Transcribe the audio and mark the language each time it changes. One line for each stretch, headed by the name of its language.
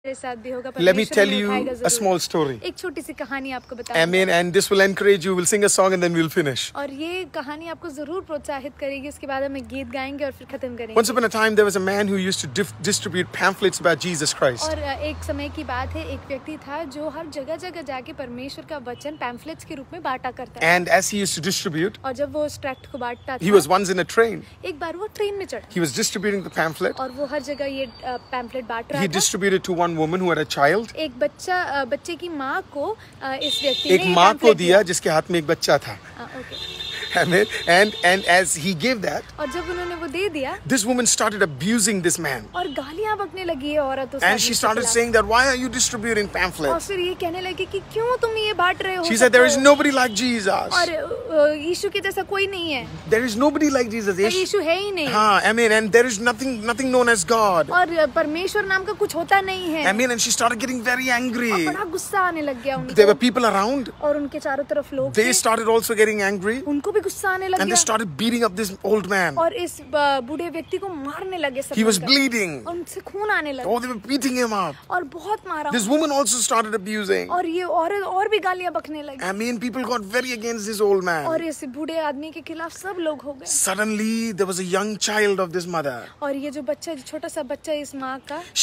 English: Let me tell you a small story.
Hindi: एक छोटी सी कहानी आपको
English: बताऊं. I mean, and this will encourage you. We'll sing a song and then we'll finish.
Hindi: और ये कहानी आपको जरूर प्रोत्साहित करेगी. उसके बाद हम एक गीत गाएंगे और फिर खत्म करेंगे.
English: Once upon a time, there was a man who used to distribute pamphlets about Jesus Christ.
Hindi: और एक समय की बात है, एक व्यक्ति था जो हर जगह जगह जाके परमेश्वर का वचन pamphlets के रूप में बांटा करता था.
English: And as he used to distribute,
Hindi: और जब वो उस tract को बांटता था,
English: he was once in a train.
Hindi: एक बार वो ट्रेन में चढ़ा.
English: He was distributing the pamphlet.
Hindi: और वो हर जगह ये pamphlet बांट रहा
English: था. He distributed to one woman who had a child.
Hindi: एक बच्चा बच्चे की माँ को इस व्यक्ति ने एक माँ को दिया जिसके हाथ में एक बच्चा था.
English: And as he gave that,
Hindi: और जब उन्होंने वो दे दिया,
English: this woman started abusing this man.
Hindi: और गालियाँ बकने लगी है औरत उसे.
English: And she started saying that, why are you distributing pamphlets?
Hindi: और फिर ये कहने लगी कि क्यों तुम ये बांट रहे हो?
English: She said, there is nobody like Jesus.
Hindi: और यीशु के जैसा कोई नहीं है.
English: There is nobody like Jesus.
Hindi: यीशु है ही नहीं. हाँ, amen.
English: And there is nothing known as God.
Hindi: और परमेश्वर नाम का कुछ होता नहीं है.
English: Amen. And she started getting very angry.
Hindi: और बड़ा गुस्सा आने लग गया उनको.
English: There were people around.
Hindi: और उनके चारों तरफ लोग.
English: They started also getting angry.
Hindi: उनको
English: And they started beating up this old man.
Hindi: और इस बूढ़े व्यक्ति को मारने लगे.
English: He was bleeding.
Hindi: उनसे खून आने लगा.
English: Oh, they were beating him up.
Hindi: और बहुत मारा.
English: This woman also started abusing.
Hindi: और ये औरत और भी गालियां बकने लगी.
English: I mean, people got very against this old man.
Hindi: और इस बूढ़े आदमी के खिलाफ सब लोग हो गए.
English: Suddenly, there was a young child of this mother.
Hindi: और ये जो बच्चा, छोटा सा बच्चा इस माँ का.